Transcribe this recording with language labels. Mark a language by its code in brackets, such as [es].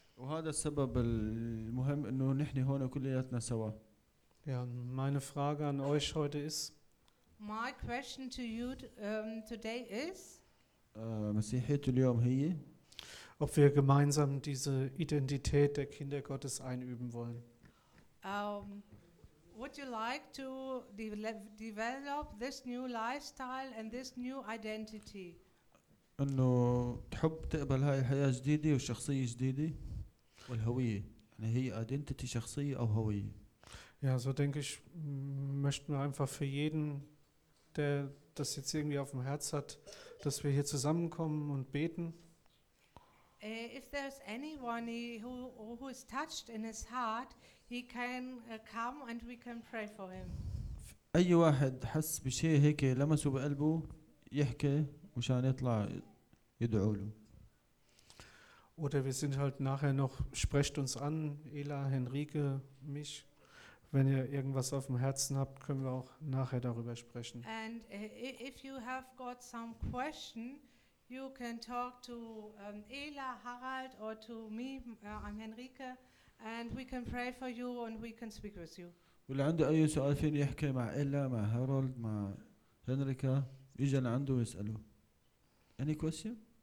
[ar] وهذا السبب المهم إنه نحن هون كلياتنا سوا. [de] Ja, meine Frage an euch heute ist. [en] My question to you today is. [ar] مسيحية اليوم هي. [de] Ob wir gemeinsam diese Identität der Kinder Gottes einüben wollen. [en] Would you like to develop this new lifestyle and this new identity? [ar] إنه تحب تقبل هاي الحياة جديدة وشخصية جديدة. والهوية يعني هي ايدنتيتي شخصية او هوية. [de] Ja, so denke ich, möchten wir einfach für jeden, der das jetzt irgendwie auf dem Herz hat, dass wir hier zusammenkommen und beten. [en] If there's anyone who is touched in his heart, he can come and we can pray for him. [ar] اي واحد حس بشيء هيك لمسه بقلبه يحكي مشان يطلع يدعو له. [de] Oder wir sind halt nachher noch, sprecht uns an, Ela, Henrike, mich. Wenn ihr irgendwas auf dem Herzen habt, können wir auch nachher darüber sprechen. [en] And if you have got some question, you can talk to Ela, Harald or to me, I'm Henrike, and we can pray for you and we can speak with you. [ar] واللي عنده أي سؤال فين يحكي مع إيلا, مع هارولد, مع هنريكا, يجي لعنده ويسأله. [en] Any question?